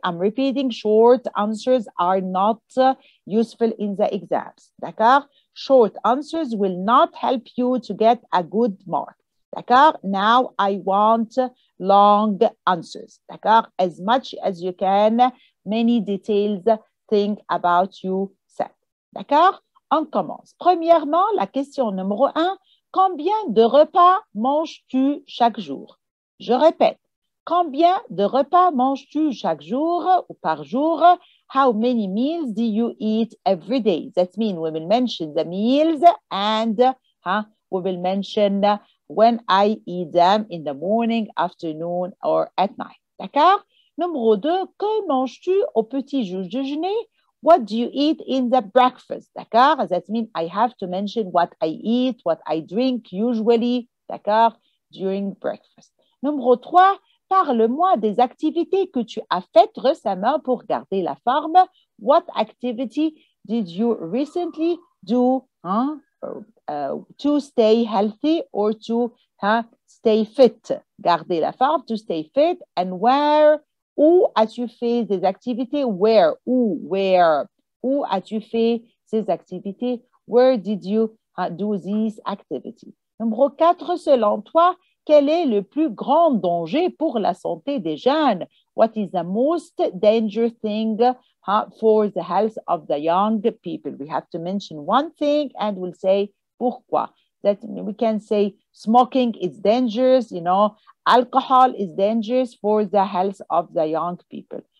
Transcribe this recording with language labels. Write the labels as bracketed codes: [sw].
[en] I'm repeating, short answers are not useful in the exams, [fr] d'accord? [en] Short answers will not help you to get a good mark, [fr] d'accord? [en] Now I want long answers, [fr] d'accord? [en] As much as you can, many details, think about yourself, [fr] d'accord? On commence. Premièrement, la question numéro un, combien de repas manges-tu chaque jour? Je répète, combien de repas manges-tu chaque jour ou par jour? [en] How many meals do you eat every day? That means we will mention the meals and we will mention when I eat them in the morning, afternoon or at night. [fr] D'accord? Numéro 2, que manges-tu au petit déjeuner? [en] What do you eat in the breakfast? [fr] D'accord? [en] That means I have to mention what I eat, what I drink usually, [fr] d'accord, [en] during breakfast. [fr] Numéro 3, parle-moi des activités que tu as faites récemment pour garder la forme. [en] What activity did you recently do to stay healthy or to stay fit? [fr] Garder la forme, [en] to stay fit, and where? [fr] Où as-tu fait des activités? [en] Where? Where? [fr] Où as-tu fait ces activités? [en] Where did you do these activities? [fr] Numéro 4, selon toi, quel est le plus grand danger pour la santé des jeunes? [en] What is the most dangerous thing for the health of the young people? We have to mention one thing and we'll say [fr] pourquoi. [en] That we can say smoking is dangerous, you know, alcohol is dangerous for the health of the young people.